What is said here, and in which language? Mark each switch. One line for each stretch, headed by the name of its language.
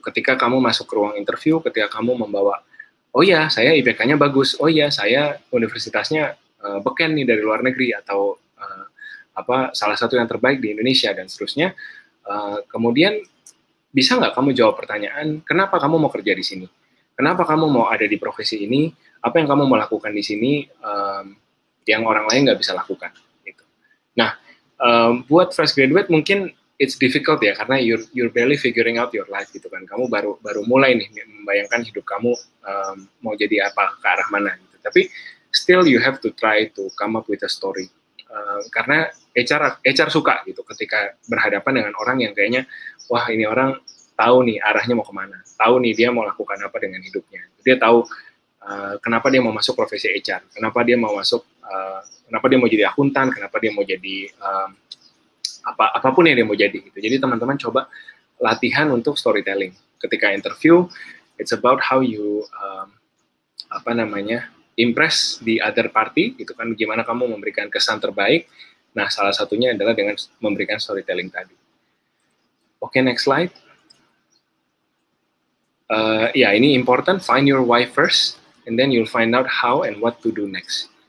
Indonesian: Ketika kamu masuk ke ruang interview, ketika kamu membawa, oh ya, saya IPK-nya bagus, oh ya, saya universitasnya beken nih dari luar negeri atau salah satu yang terbaik di Indonesia dan seterusnya. Kemudian bisa nggak kamu jawab pertanyaan, kenapa kamu mau kerja di sini? Kenapa kamu mau ada di profesi ini? Apa yang kamu mau lakukan di sini yang orang lain nggak bisa lakukan? Gitu. Nah, buat fresh graduate mungkin
English: it's difficult
Indonesian: ya, karena
English: you're barely figuring out your life
Indonesian: gitu kan. Kamu baru mulai nih membayangkan hidup kamu mau jadi apa, ke arah mana gitu.
English: Tapi still you have to try to come up with a story.
Indonesian: Karena HR suka gitu ketika berhadapan dengan orang yang kayaknya, wah ini orang tahu nih arahnya mau kemana, tahu nih dia mau lakukan apa dengan hidupnya. Dia tahu kenapa dia mau masuk profesi HR, kenapa dia mau jadi akuntan, kenapa dia mau jadi apapun yang dia mau jadi. Gitu. Jadi teman-teman coba latihan untuk storytelling. Ketika interview,
English: it's about how you, impress the other party,
Indonesian: gitu kan, gimana kamu memberikan kesan terbaik. Nah, salah satunya adalah dengan memberikan storytelling tadi. Oke, next slide.
English: Ini important, find your why first, and then you'll find out how and what to do next.